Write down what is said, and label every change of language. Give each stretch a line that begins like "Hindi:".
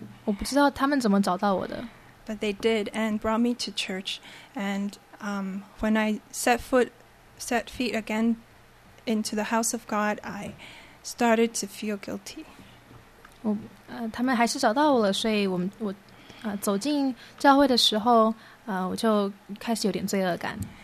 Chinese: 我不知道他们怎么找到我的。
English: But they did and brought me to church. And when I set feet again into the house of God, I started to feel guilty.
Chinese: 他们还是找到我了，所以我走进教会的时候，我就开始有点罪恶感。